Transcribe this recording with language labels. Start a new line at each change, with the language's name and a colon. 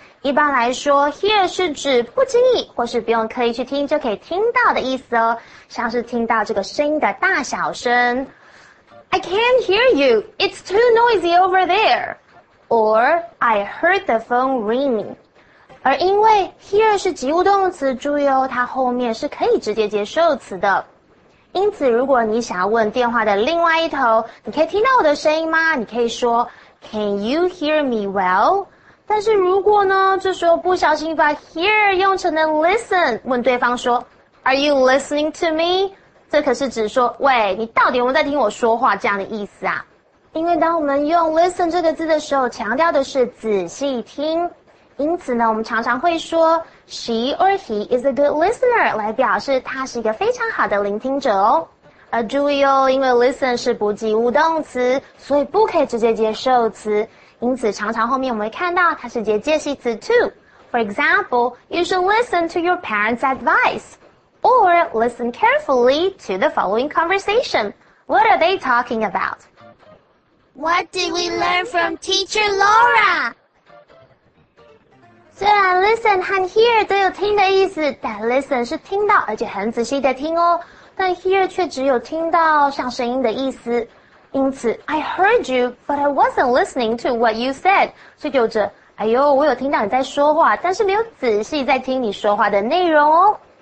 Chinese: 一般来说 here 是指不经意或是不用刻意去听就可以听到的意思哦，像是听到这个声音的大小声。
English: I can't hear you, it's too noisy over there. Or, I heard the phone ringing.
Chinese: 而因为 here 是及物动词，注意哦，它后面是可以直接接受词的。因此，如果你想要问电话的另外一头，你可以听到我的声音吗？你可以说
English: Can you hear me well?
Chinese: 但是如果呢，这时候不小心把 here 用成了 listen, 问对方说
English: Are you listening to me?
Chinese: 这可是指说，喂，你到底有没有在听我说话这样的意思啊？因为当我们用 listen 这个字的时候，强调的是仔细听。因此呢，我们常常会说
English: she or he is a good listener
Chinese: 来表示他是一个非常好的聆听者哦。而注意哦，因为 listen 是不及物动词，所以不可以直接接受词。因此常常后面我们会看到它是接介系词 to。
English: For example, you should listen to your parents' advice. Or listen carefully to the following conversation. What are they talking about? What did we learn from teacher Laura?
Chinese: 虽然 listen 和 hear 都有听的意思，但 listen 是听到而且很仔细的听哦，但 hear 却只有听到像声音的意思。因此
English: I heard you, but I wasn't listening to what you said.
Chinese: 所以有着哎呦，我有听到你在说话，但是没有仔细在听你说话的内容哦。